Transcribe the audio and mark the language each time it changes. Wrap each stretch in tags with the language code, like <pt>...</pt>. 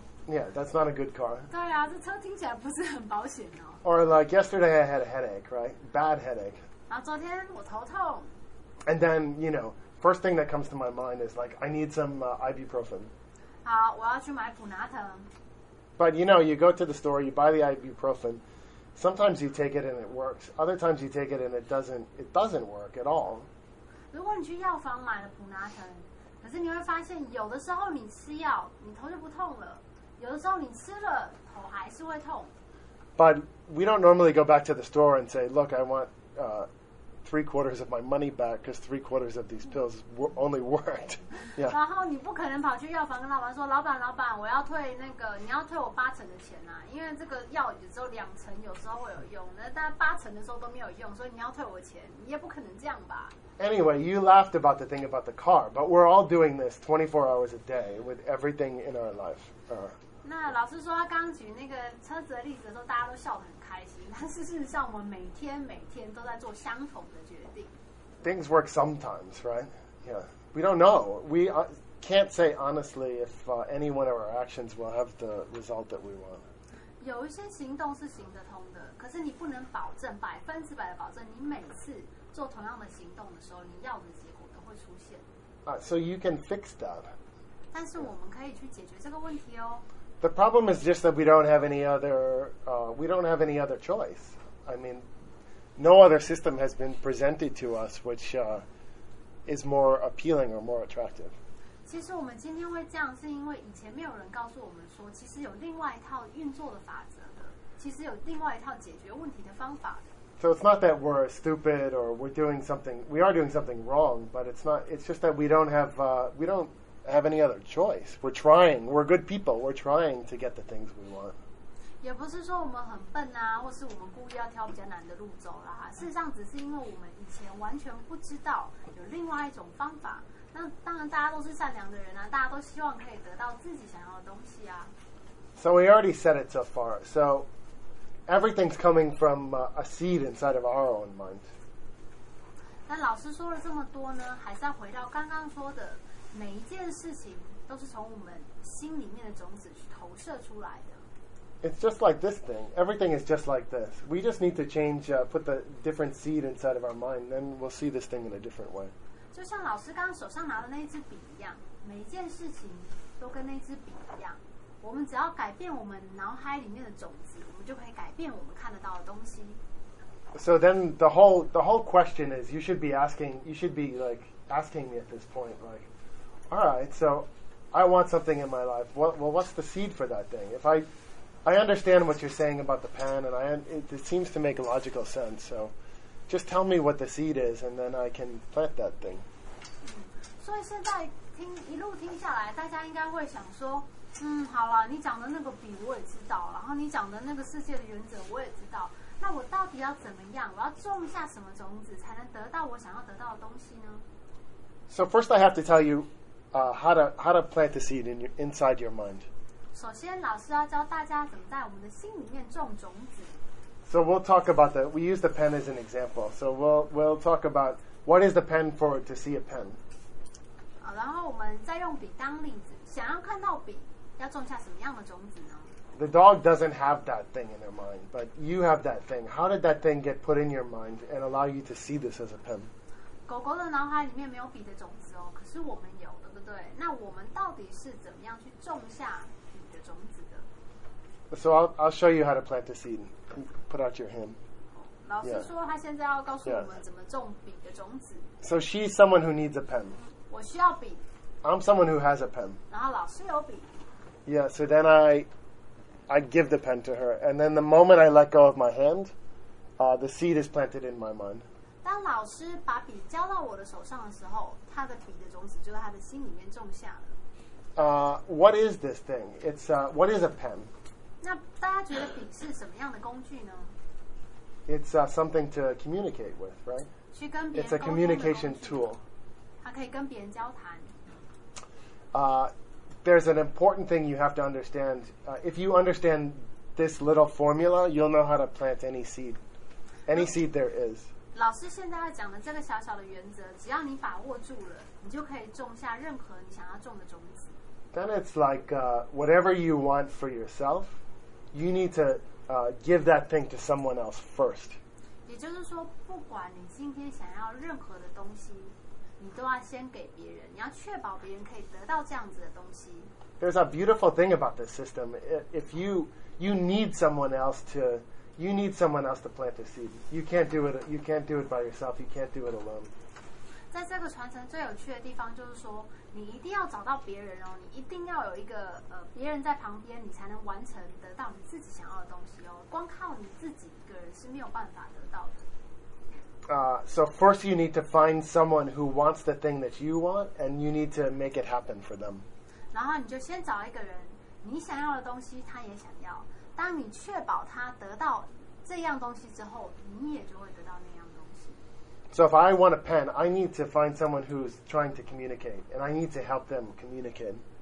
<en>Yeah, that's not a good car.</en> <zh>对啊，这车听起来不是很保险哦。</zh> <en>Or like yesterday, I had a headache, right? Bad headache.</en> <zh>然后昨天我头痛。</zh> <en>And then you know, first thing that comes to my mind is like, I need some ibuprofen.</en> <zh>好，我要去买普拿疼。</zh> <en>But you know, you go to the store, you buy the ibuprofen. Sometimes you take it and it works. Other times you take it and it doesn't work at all.</en> <zh>如果你去药房买了普拿疼，可是你会发现，有的时候你吃药，你头就不痛了；有的时候你吃了，头还是会痛。</zh> <en>But we don't normally go back to the store and say, "Look, I want three quarters of my money back because three quarters of these pills only worked." Yeah.</en> <zh>然后你不可能跑去药房跟老板说，老板，我要退那个，你要退我八成的钱啊，因为这个药只有两成有时候会有用，那但八成的时候都没有用，所以你要退我钱，你也不可能这样吧。</zh> <en>Anyway, you laughed about the thing about the car, but we're all doing this 24 hours a day with everything in our life.</en> <zh>那老师说他刚举那个车子的例子的时候，大家都笑得很开心。但事实上，我们每天每天都在做相同的决定。</zh> <en>Things work sometimes, right? Yeah. We don't know. We can't say honestly if any one of our actions will have the result that we want.</en> <zh>有一些行动是行得通的，可是你不能保证百分之百的保证，你每次做同样的行动的时候，你要的结果都会出现。</zh> <en>So you can fix that.</en> <zh>但是我们可以去解决这个问题哦。</zh> <en>The problem is just that we don't have any other choice. I mean, no other system has been presented to us which is more appealing or more attractive.</en> <zh>其实我们今天会这样，是因为以前没有人告诉我们说，其实有另外一套运作的法则的，其实有另外一套解决问题的方法的。</zh> <en>So it's not that we're stupid or we're doing something. We are doing something wrong, but it's not. It's just that we don't have any other choice. We're trying. We're good people. We're trying to get the things we want.</en> <zh>也不是说我们很笨啊，或是我们故意要挑比较难的路走啦。事实上，只是因为我们以前完全不知道有另外一种方法。那当然，大家都是善良的人啊，大家都希望可以得到自己想要的东西啊。</zh> <en>So we already said it so far. So everything's coming from a seed inside of our own mind.</en> <zh>但老师说了这么多呢，还是要回到刚刚说的。每一件事情都是从我们心里面的种子去投射出来的。</zh> <en>It's just like this thing. Everything is just like this. We just need to change, put the different seed inside of our mind, then we'll see this thing in a different way.</en> <zh>就像老师刚刚手上拿的那支笔一样，每一件事情都跟那支笔一样。我们只要改变我们脑海里面的种子，我们就可以改变我们看得到的东西。</zh> <en>So then the whole question is, you should be asking me at this point, like,All right, so I want something in my life. Well, what's the seed for that thing? If I understand what you're saying about the pen, and it seems to make logical sense. So just tell me what the seed is, and then I can plant that thing. So now,</en> <zh>一路听下来，大家应该会想说，好了，你讲的那个笔我也知道，然后你讲的那个世界的原则我也知道。那我到底要怎么样？我要种下什么种子才能得到我想要得到的东西呢？</zh> <en>So first, I have to tell you. How to plant the seed inside your mind.</en> <zh>首先，老师要教大家怎么在我们的心里面种种子。</zh> <en>So we'll talk about that. We use the pen as an example. So we'll talk about what is the pen for to see a pen.</en> <zh>好，然后我们再用笔当例子，想要看到笔，要种下什么样的种子呢？</zh> <en>The dog doesn't have that thing in their mind, but you have that thing. How did that thing get put in your mind and allow you to see this as a pen?</en> <zh>狗狗的脑海里面没有笔的种子哦，可是我们有。对，那我们到底是怎么样去种下你的种子的？</zh> <en>So I'll show you how to plant the seed. Put out your hand.</en> <zh>老师说他现在要告诉我们怎么种笔的种子。</zh> <en>So she's someone who needs a pen.</en> <zh>我需要笔。</zh> <en>I'm someone who has a pen.</en> <zh>然后老师有笔。</zh> <en>Yeah, so then I give the pen to her, and then the moment I let go of my hand, the seed is planted in my mind.</en> <zh>当老师把笔交到我的手上的时候。他的笔的种子就在他的心里面种下了。</zh> <en>What is this thing? It's what is a pen?</en> <zh>那大家觉得笔是什么样的工具呢？</zh> <en>It's something to communicate with, right?</en> <zh>去跟别人。</zh> <en>It's a communication tool.</en> <zh>它可以跟别人交谈。</zh> <en>There's an important thing you have to understand. If you understand this little formula, you'll know how to plant any seed, seed there is.</en> <zh>老师现在要讲的这个小小的原则，只要你把握住了，你就可以种下任何你想要种的种子。</zh> <en>Then it's like whatever you want for yourself, you need to give that thing to someone else first.</en> <zh>也就是说，不管你今天想要任何的东西，你都要先给别人，你要确保别人可以得到这样子的东西。</zh> <en>There's a beautiful thing about this system. If you need someone else to. You need someone else to plant the seed. You can't do it by yourself. You can't do it alone.</en> <zh>在这个传承最有趣的地方就是说，你一定要找到别人哦，你一定要有一个别人在旁边，你才能完成得到你自己想要的东西哦。光靠你自己一个人是没有办法得到的。</zh> <en>So first you need to find someone who wants the thing that you want, and you need to make it happen for them.</en> <zh>然后你就先找一个人，你想要的东西他也想要。当你确保他得到这样东西之后，你也就会得到那样东西。</zh> <en>So if I want a pen, I need to find someone who's trying to communicate, and I need to help them communicate.</en>